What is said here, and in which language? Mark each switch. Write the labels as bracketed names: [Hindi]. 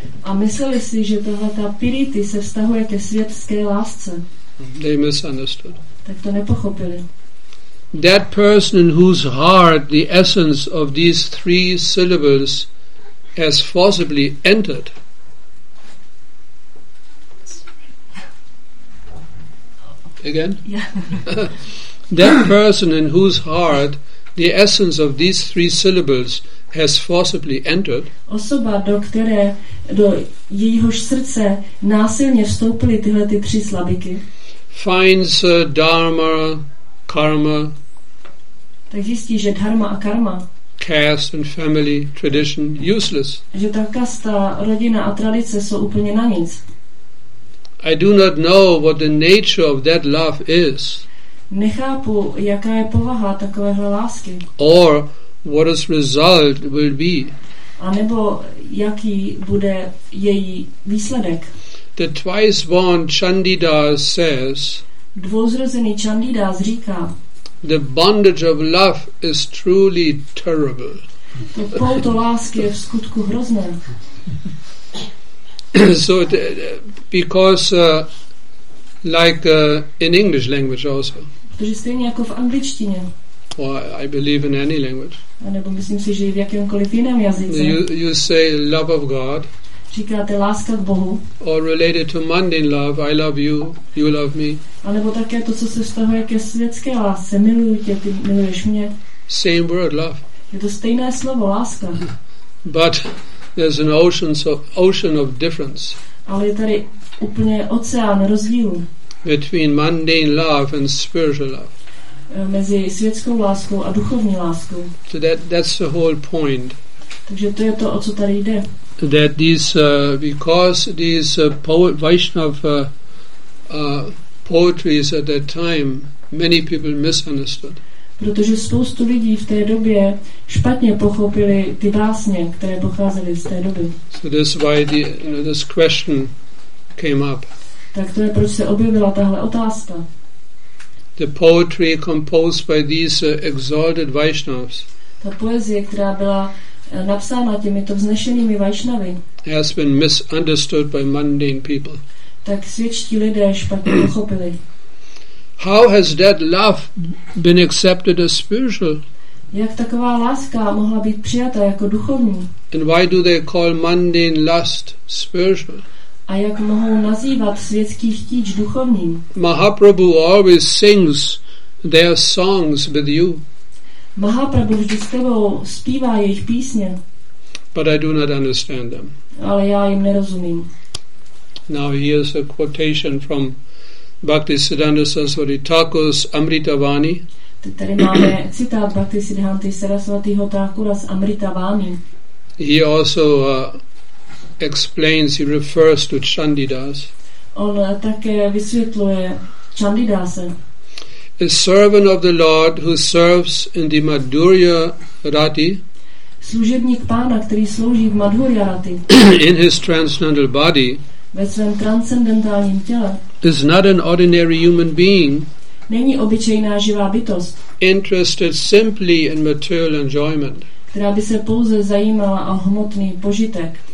[Czech] A mysleli si, že tohleta PDT se vztahuje ke světské lásce. [English] They misunderstood. [Czech] Tak to nepochopili. [English] That person in whose heart the essence of these three syllables has forcibly entered. Oh, again? Yeah. That person in whose heart the essence of these three syllables has forcibly entered. [Czech] Osoba, do které do jejíhož srdce násilně vstoupily tyhle ty tři slabiky. [English] Finds dharma, karma. [Czech] Tak zjistí, že dharma a karma. [English] Caste and family tradition useless. [Czech] Že ta kasta, rodina a tradice jsou úplně na nic. [English] I do not know what the nature of that love is. [Czech] Nechápu, jaká je povaha takovéhle lásky. [English] Or what its result will be. [Czech] A nebo jaký bude její výsledek. [English] The twice born Chandidas says. [Czech] Dvouzrozený Chandidas říká. [English] The bondage of love is truly terrible. [Czech] To pouto lásky je v skutku hrozné. [English] So because like in English language also. [Czech] Protože stejně jako v angličtině. [English] Well, I believe in any language. [Czech] A nebo myslím si, že i v jakémkoliv jiném jazyce. [English] You say love of God. [Czech] Říkáte láska k Bohu. [English] Or related to mundane love, I love you, you love me. [Czech] A nebo také to, co se vztahuje ke světské lásce, miluju tě, ty miluješ mě. [English] Same word, love. [Czech] Je to stejné slovo, láska. [English] But there's an ocean of difference. [Czech] Ale je tady úplně oceán rozdílu. [English] Between mundane love and spiritual love. [Czech] Mezi světskou láskou a duchovní láskou. [English] So that's the whole point. [Czech] Takže to je to, o co tady jde. [English] That these because these Vaishnava poetry at that time many people misunderstood. [Czech] Protože spoustu lidí v té době špatně pochopili ty básně, které pocházely z té doby. [English] So that's why this question came up. [Czech] Tak to je, proč se objevila tahle otázka. [English] The poetry composed by these exalted Vaishnavas. [Czech] Ta poezie, která byla napsána těmito vznešenými Vaishnavy. [English] Has been misunderstood by mundane people. [Czech] Tak světští lidé špatně pochopili. [English] How has that love been accepted as spiritual? [Czech] Jak taková láska mohla být přijata jako duchovní? [English] And why do they call mundane lust spiritual? [Czech] A jak mohou nazývat světský chtíč duchovním? [English] Mahaprabhu always sings their songs with you. [Czech] Mahaprabhu vždy s tebou zpívá jejich písně. [English] But I do not understand them. [Czech] Ale já jim nerozumím. [English] Now here's a quotation from Bhaktisiddhanta Saraswati Thakur's Amritavani. [Czech] Tady máme citát Bhaktisiddhanty Sarasvatiho Thakura z Amritavani. [English] He also explains, he refers to Chandidas. [Czech] On také vysvětluje Chandidase. [English] A servant of the Lord who serves in the Madhurya Rati. [Czech] Služebník pána, který slouží v Madhurya Rati. [English] In his transcendental body. [Czech] Ve svém transcendentálním těle. [English] Is not an ordinary human being. [Czech] Není obyčejná živá bytost. [English] Interested simply in material enjoyment. [Czech] Která by se pouze zajímala o hmotný požitek.